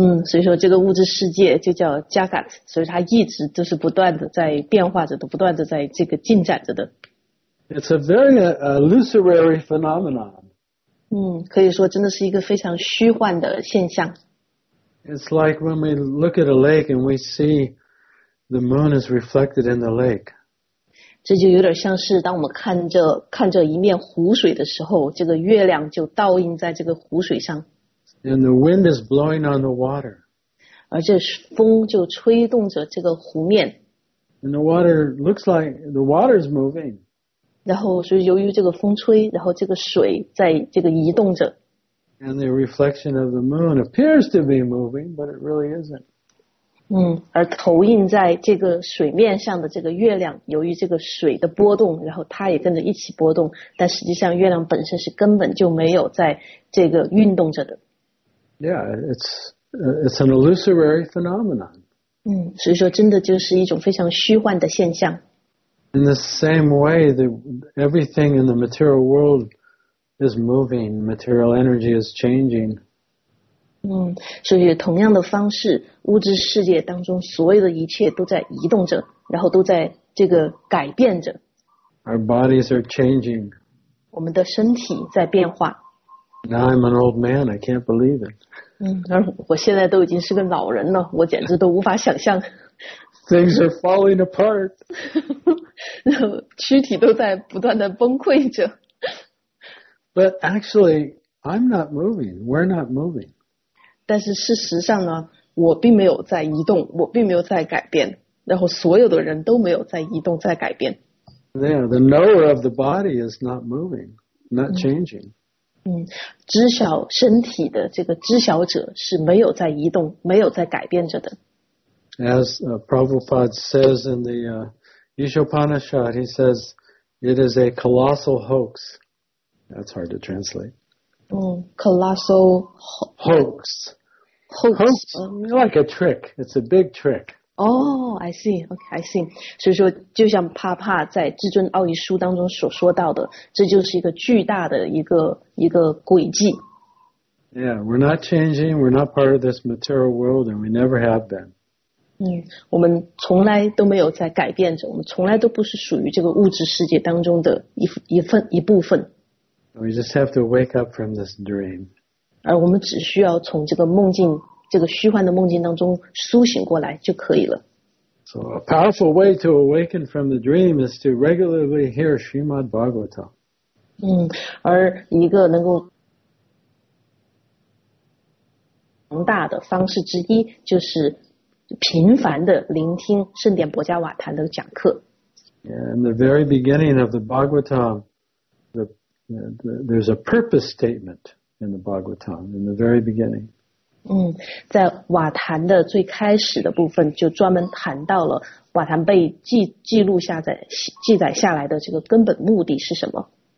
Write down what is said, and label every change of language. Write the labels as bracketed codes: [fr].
[zh] 所以说这个物质世界就叫 Jagat, 所以它一直都是不断的在变化着的，不断的在这个进展着的。 [en] It's a very illusory phenomenon. [zh] 可以说真的是一个非常虚幻的现象。 [en] It's like when we look at a lake and we see the moon is reflected in the lake. [zh] 这就有点像是当我们看着一面湖水的时候，这个月亮就倒映在这个湖水上。 [en] And the wind is blowing on the water. [zh] 而这风就吹动着这个湖面。 [en] And the water looks like the water is moving. [zh] 然后所以由于这个风吹，然后这个水在这个移动着。 [en] And the reflection of the moon appears to be moving, but it really isn't. [zh] 而投影在这个水面上的这个月亮，由于这个水的波动，然后它也跟着一起波动，但实际上月亮本身是根本就没有在这个运动着的。 [en] Yeah, it's an illusory phenomenon. [zh] 所以说真的就是一种非常虚幻的现象。 [en] In the same way, everything in the material world is moving. Material energy is changing. [zh] 所以同样的方式，物质世界当中所有的一切都在移动着，然后都在这个改变着。 [en] Our bodies are changing. [zh] 我们的身体在变化。 [en] Now I'm an old man. I can't believe it. [zh] 而我现在都已经是个老人了，我简直都无法想象。 [en] Things are falling apart. [zh] 躯体都在不断的崩溃着。 [en] But actually, I'm not moving. We're not moving. [zh] 但是事实上呢，我并没有在移动，我并没有在改变，然后所有的人都没有在移动，在改变。 [en] Yeah, the knower of the body is not moving, not changing. [zh] 知晓身体的这个知晓者是没有在移动，没有在改变着的。 [en] As Prabhupada says in the Isopanishad, he says, it is a colossal hoax. That's hard to translate. Colossal hoax. Hoax. Like a trick. It's a big trick. Oh, I see. [zh] 所以说就像帕帕在至尊奥义书当中所说到的，这就是一个巨大的一个诡计。 [en] Yeah, we're not changing. We're not part of this material world, and we never have been. [zh] 我们从来都没有在改变着，我们从来都不是属于这个物质世界当中的一部分。 [en] We just have to wake up from this dream. [zh] 而我们只需要从这个梦境，这个虚幻的梦境当中苏醒过来就可以了。 [en] So a powerful way to awaken from the dream is to regularly hear Srimad Bhagavatam. [zh] 而一个能够强大的方式之一就是频繁的聆听圣典薄伽瓦坛的讲课。 [en] In the very beginning of the Bhagavatam, there's a purpose statement in the Bhagavatam in the very beginning. [zh] 在瓦坛的最开始的部分就专门谈到了瓦坛被记载下来的这个根本目的是什么。